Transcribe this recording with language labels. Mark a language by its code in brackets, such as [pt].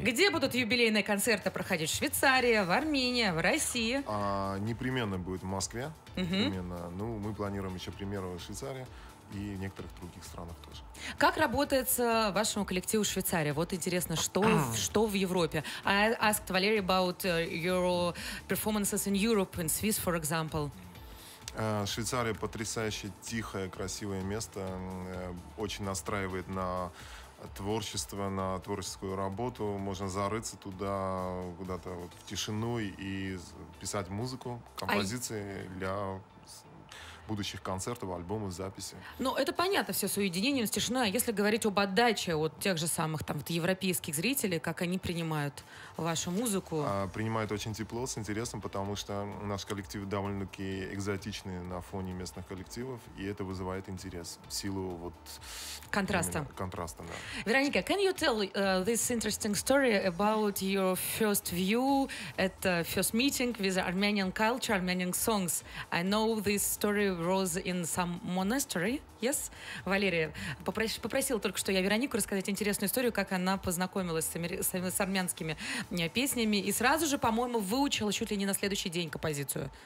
[ru] Где будут юбилейные концерты проходить? В Швейцарии, в Армении, в России? А, непременно будет в Москве. Непременно. Ну, мы планируем еще премьеру в Швейцарии и в некоторых других странах тоже. Как работает вашему коллективу в Швейцарии? Вот интересно, что в Европе? [en] I asked Valerie about your performances in Europe, in Swiss, for example. [ru] Швейцария — потрясающе тихое, красивое место, очень настраивает на творчество, на творческую работу. Можно зарыться туда, куда-то вот в тишину и писать музыку, композиции для будущих концертов, альбомов, записи. Ну, это понятно все с уединением, с тишиной. А если говорить об отдаче от тех же самых там вот европейских зрителей, как они принимают вашу музыку? Принимают очень тепло, с интересом, потому что наш коллектив довольно-таки экзотичный на фоне местных коллективов, и это вызывает интерес в силу вот... Контраста. Именно, контраста, да. [en] Вероника, can you tell this interesting story about your first view at first meeting with Armenian culture, Armenian songs? I know this story was in some monastery. Yes? [ru] Валерия попросила только что я Веронику рассказать интересную историю, как она познакомилась с армянскими песнями и сразу же, по-моему, выучила чуть ли не на следующий день композицию.